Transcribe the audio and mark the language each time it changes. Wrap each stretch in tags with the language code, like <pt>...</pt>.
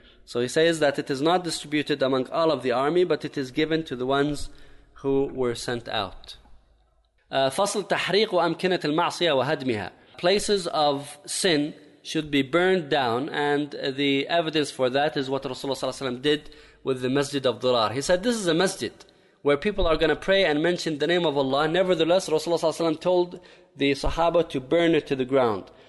<en>So he says that it is not distributed among all of the army, but it is given to the ones who were sent out.</en> <ar>فصل تحريق أمكنة المعصية وهدمها.</ar> <en>Places of sin should be burned down, and the evidence for that is what Rasulullah صلى الله عليه وسلم did with the Masjid of Dhurar. He said, this is a masjid where people are going to pray and mention the name of Allah. Nevertheless, Rasulullah صلى الله عليه وسلم told the Sahaba to burn it to the ground.</en>